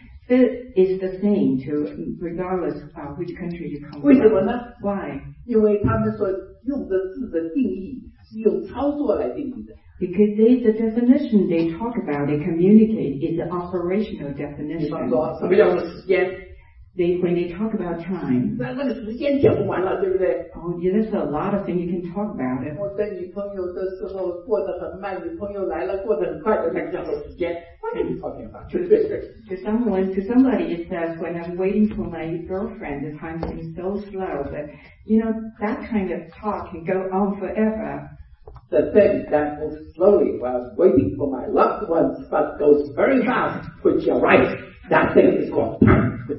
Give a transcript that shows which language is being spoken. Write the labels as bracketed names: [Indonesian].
[English] It's the same to regardless of which country you come from. [Chinese] 为什么呢? [English] Why? [Chinese] 因为他们所用的字的定义是用操作来定义的。 [English] Because the definition they talk about, they communicate, is the operational definition. [Chinese] 比方说，什么叫做时间? [English] When they talk about time, [Chinese] 那个时间讲不完了，对不对？ [English] Oh, there's a lot of things you can talk about. [Chinese] 我等女朋友的时候过得很慢，女朋友来了过得很快的，那叫做时间。那就是时间。 [English] To somebody, it says when I'm waiting for my girlfriend, the time seems so slow. But you know that kind of talk can go on forever. The thing that goes slowly while waiting for my loved ones, but goes very fast, which you're right. That thing is called time.